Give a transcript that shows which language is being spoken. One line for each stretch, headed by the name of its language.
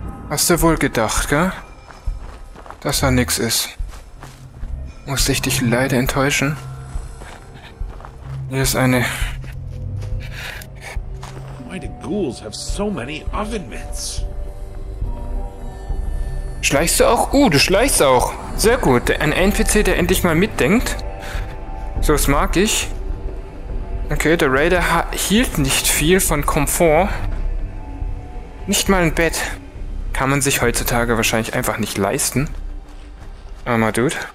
German: Hast du wohl gedacht, gell? Dass da nix ist. Muss ich dich leider enttäuschen? Hier ist eine.
English: Why do ghouls have so many oven mitts?
German: Schleichst du auch? Du schleichst auch. Sehr gut. Ein NPC, der endlich mal mitdenkt. So, das mag ich. Okay, der Raider hielt nicht viel von Komfort. Nicht mal ein Bett. Kann man sich heutzutage wahrscheinlich einfach nicht leisten. Armer Dude.